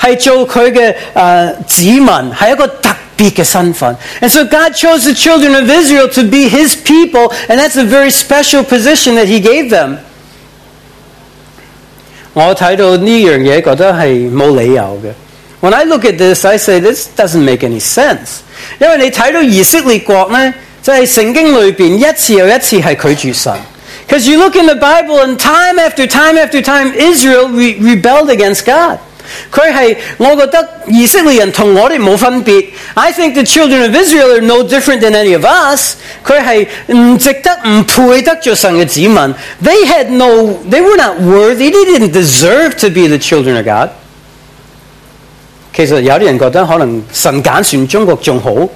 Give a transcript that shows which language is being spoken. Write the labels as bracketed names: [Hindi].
[Chinese] 所以神是揀選以色列人,是做祂的子民, 是一個特別的身份. [English] And so God chose the children of Israel to be His people, and that's a very special position that He gave them. [Chinese] 我看到這件事,覺得是沒理由的。 [English] When I look at this, I say, this doesn't make any sense. [Chinese] 因為你看到以色列國呢, 在聖經裏面,一次又一次是拒絕神。 [English] Because you look in the Bible, and time after time after time, Israel rebelled against God. [Chinese] 他是,我覺得以色列人跟我們沒有分別, [English] I think the children of Israel are no different than any of us. [Chinese] 他是不值得,不配得做神的子民, [English] they were not worthy, they didn't deserve to be the children of God. [Chinese] 其實有些人覺得可能神揀選中國更好。